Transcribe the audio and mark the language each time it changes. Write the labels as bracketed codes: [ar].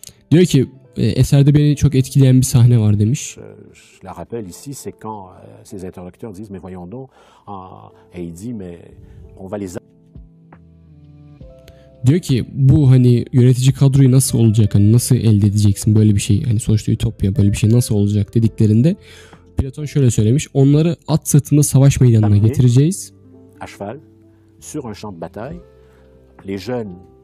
[tr] Diyor ki eserde beni çok etkileyen bir sahne var demiş. [fr] La rappelle ici c'est quand ses interlocuteurs disent mais voyons donc et il dit mais on va les. [tr] Diyor ki bu hani yönetici kadroyu nasıl olacak, hani nasıl elde edeceksin böyle bir şey, hani sonuçta ütopya, böyle bir şey nasıl olacak dediklerinde Platon şöyle söylemiş: onları at sırtında savaş meydanına getireceğiz. [fr] Cheval sur un champ de bataille les jeunes.